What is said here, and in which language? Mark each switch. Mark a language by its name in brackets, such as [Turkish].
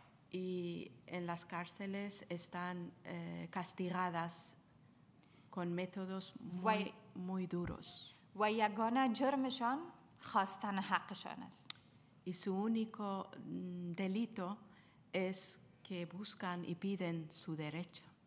[Spanish] Y en las cárceles están castigadas con métodos muy, muy duros. [Persian] و یگانه جرمشان خواستن حقشان است. [Spanish] Y su único delito es que buscan y piden su derecho.